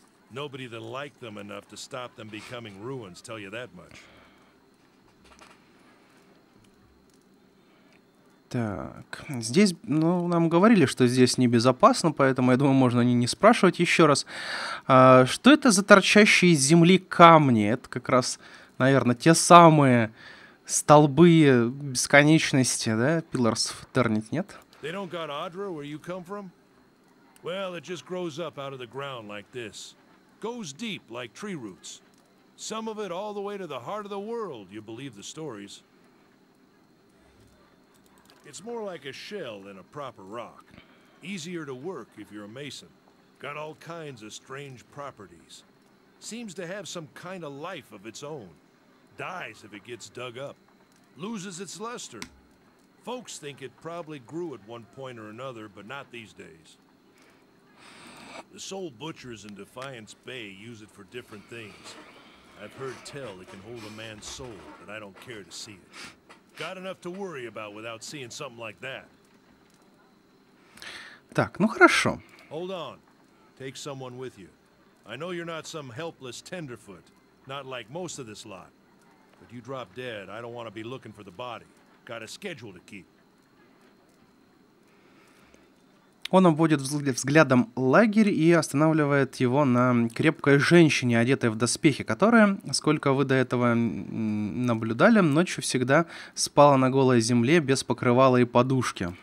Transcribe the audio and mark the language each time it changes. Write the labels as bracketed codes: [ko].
[en] Nobody that liked them enough to stop them becoming ruins, tell you that much. [ru] Так, здесь, ну, нам говорили, что здесь небезопасно, поэтому, я думаю, можно не спрашивать еще раз. Что это за торчащие из земли камни? Это как раз, наверное, те самые столбы бесконечности, да? [en] Pillars of Eternity, [ru] нет? [en] They don't got Audra, where you come from? Well, it just grows up out of the ground like this. Goes deep like tree roots. Some of it all the way to the heart of the world, you believe the stories. It's more like a shell than a proper rock. Easier to work if you're a mason. Got all kinds of strange properties. Seems to have some kind of life of its own. Dies if it gets dug up. loses its luster. Folks think it probably grew at one point or another, but not these days. The sole butchers in Defiance Bay use it for different things. I've heard tell it can hold a man's soul, but I don't care to see it. Got enough to worry about without seeing something like that. [ru] Так, ну хорошо. [en] Hold on. Take someone with you. I know you're not some helpless tenderfoot, not like most of this lot. But you drop dead, I don't want to be looking for the body. Got a schedule to keep. [ru] Он обводит взглядом лагерь и останавливает его на крепкой женщине, одетой в доспехи, которая, сколько вы до этого наблюдали, ночью всегда спала на голой земле без покрывала и подушки.